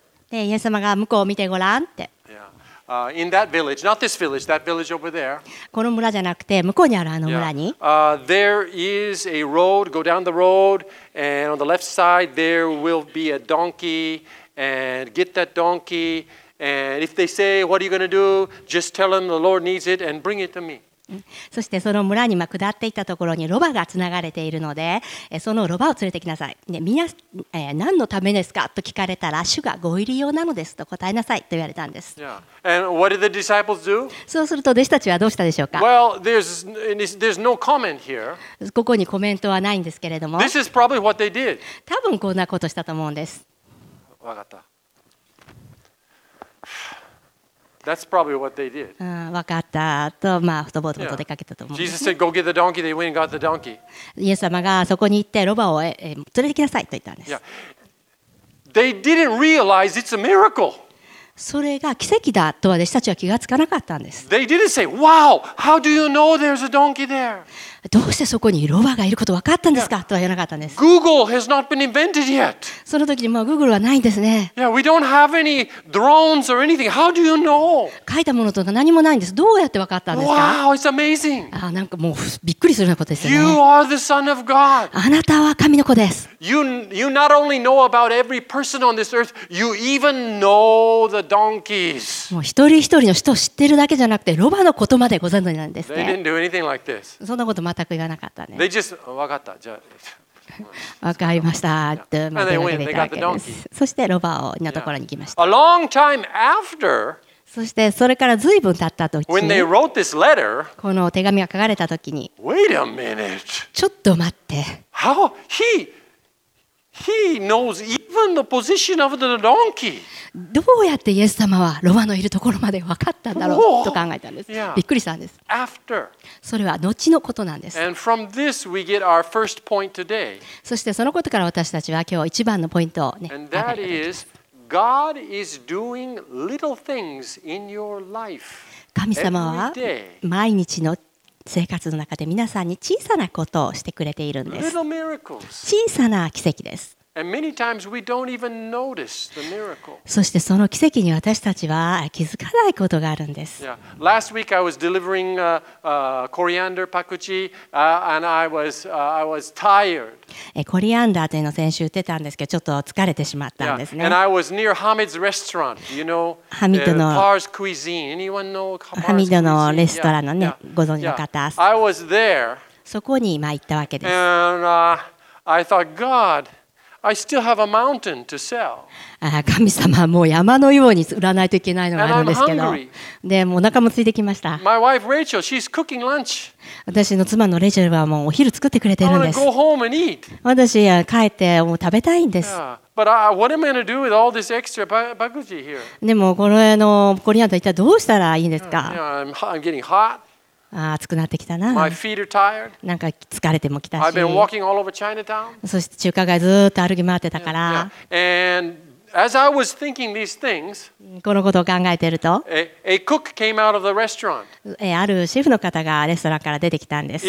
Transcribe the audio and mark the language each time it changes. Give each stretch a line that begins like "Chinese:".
Japanese: で、イエス様が向こうを見てごらんって。
English: In that village, not this village, that village over there.
Japanese: この村じゃなくて向こうにあるあの村に。
English: There is a road. Go down the road, and on the left side there will be a donkey. And get that donkey. And if they say, what are you going to do? Just tell them the Lord needs it and bring it to me.
Japanese: そしてその村に下っていったところにロバがつながれているので、そのロバを連れてきなさい。で、皆、何のためですかと聞かれたら、主がご入り用なのですと答えなさいと言われたんです。
English: Yeah. And what did the disciples do?
Japanese: そうすると弟子たちはどうしたでしょうか?
English: Well, there's no comment here.
Japanese: ここにコメントはないんですけれども。
English: This is probably what they did.
Japanese: 多分こんなことしたと思うんです。わかった。
English: That's probably what they did.
Japanese: わかったと、まあ、ほとぼとぼと出かけたと思う。
English: Jesus said, "Go get the donkey." They went and got the donkey.
Japanese: イエス様がそこに行ってロバを連れてきなさいと言ったんです。
English: Yeah. They didn't realize it's a miracle.
Japanese: それが奇跡だとは弟子たちは気がつかなかったんです。
English: They didn't say, "Wow, how do you know there's a donkey there?"
Japanese: どうしてそこにロバがいることわかったんですか、yeah. とは言わなかったんです。
English: Google has not been invented yet.
Japanese: その時にもう Google はないんですね。
English: Yeah, we don't have any drones or anything. How do you know?
Japanese: 書いたものとか何もないんです。どうやってわかったんですか。
English: Wow, it's amazing.
Japanese: あ、なんかもうびっくりするようなことですよね。
English: You are the Son of God.
Japanese: あなたは神の子です。
English: You not only know about every person on this earth, you even know the donkeys.
Japanese: もう一人一人の人を知ってるだけじゃなくて、ロバのことまでご存知なんですね。
English: They didn't do anything like this.
Japanese: そんなこと全く言わなかったね。
English: They just,
Japanese: わかった。じゃあ、わかりました。と、まあ、出かけたわけです。そしてロバオのところに来ました。
English: A long time after,
Japanese: そしてそれから随分経った時に、
English: when they wrote this letter,
Japanese: この手紙が書かれた時に、
English: Wait a minute.
Japanese: ちょっと待って。
English: How he knows even the position of the donkey.
Japanese: どうやってイエス様はロバのいるところまで分かったんだろうと考えたんです。
English: Yeah.
Japanese: びっくりしたんです。
English: After.
Japanese: それは後のことなんです。
English: And from this we get our first point today.
Japanese: そしてそのことから私たちは今日一番のポイントをね。
English: And that is, God is doing little things in your life.
Japanese: 神様は毎日の生活の中で皆さんに小さなことをしてくれているんです。
English: Little miracles.
Japanese: 小さな奇跡です。
English: And many times we don't even notice the miracle.
Japanese: そしてその奇跡に私たちは気づかないことがあるんです。
English: Yeah. Last week I was delivering coriander pakuchi, and I was tired.
Japanese: コリアンダーというのを先週売ってたんですけど、ちょっと疲れてしまったんですね。
English: Yeah. And I was near Hamid's restaurant. You know, Par's cuisine. Anyone know Par's cuisine?
Japanese: Hamid のレストランのね、ご存知の方。
English: Yeah. I was there.
Japanese: そこに今行ったわけです。
English: And I thought, God. I still have a mountain to sell.
Japanese: 神様はもう山のように売らないといけないのがあるんですけど、でもお腹もついてきました。
English: My wife, Rachel, she's cooking lunch.
Japanese: 私の妻のレイチェルはもうお昼作ってくれてるんです。
English: I want to go home and eat.
Japanese: 私は帰ってもう食べたいんです。
English: But what am I going to do with all this extra bakuchi here?
Japanese: でもこれのコリアンダー一体どうしたらいいんですか。
English: I'm getting hot.
Japanese: 暑くなってきたな。
English: My feet are tired.
Japanese: なんか疲れてもきたし。
English: I've been walking all over Chinatown.
Japanese: そして中華街ずっと歩き回ってたから。
English: Yeah, yeah. And as I was thinking these things,
Japanese: このことを考えてると、
English: a cook came out of the restaurant.
Japanese: あるシェフの方がレストランから出てきたんです。